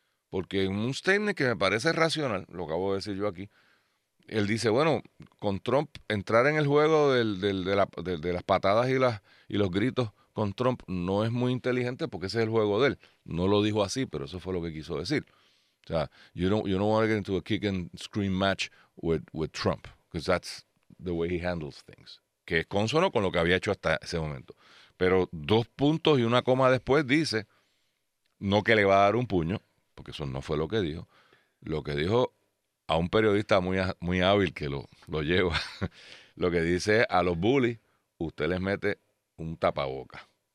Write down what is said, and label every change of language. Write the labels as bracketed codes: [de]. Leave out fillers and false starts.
[es] Porque en un statement que me parece racional, lo acabo de decir yo aquí, él dice, bueno, con Trump, entrar en el juego de las patadas y los gritos con Trump no es muy inteligente porque ese es el juego de él. No lo dijo así, pero eso fue lo que quiso decir. [en] So you don't want to get into a kick and scream match with Trump, because that's the way he handles things. [es] Que es consono con lo que había hecho hasta ese momento. Pero dos puntos y una coma después dice, no que le va a dar un puño, porque eso no fue lo que dijo. Lo que dijo a un periodista muy, muy hábil que lo lleva, lo que dice a los bullies, usted les mete un tapaboca.